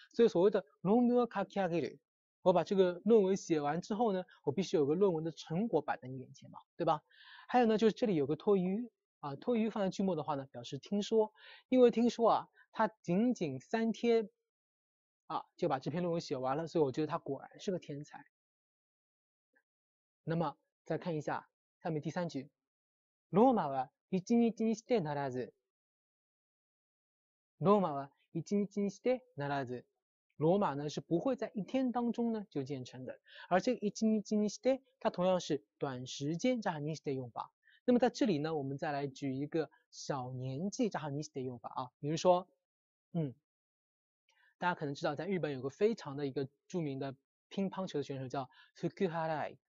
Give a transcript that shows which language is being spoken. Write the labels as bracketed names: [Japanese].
[Chinese] 所以所谓的 [Japanese] 論文を書き上げる， [Chinese] 我把这个论文写完之后呢，我必须有个论文的成果摆在你眼前嘛，对吧？还有呢，就是这里有个托于啊，托于放在句末的话呢，表示听说，因为听说啊，他仅仅3天啊就把这篇论文写完了，所以我觉得他果然是个天才。那么再看一下。下面第三句， [Japanese] ローマは一日にしてならず。ローマは一日にしてならず。 [Chinese] 罗马呢是不会在一天当中呢就建成的，而这个一日にして，它同样是短时间加上にして用法。那么在这里呢，我们再来举一个小年纪加上にして用法啊，比如说，大家可能知道，在日本有个非常的一个著名的乒乓球的选手叫福克哈拉。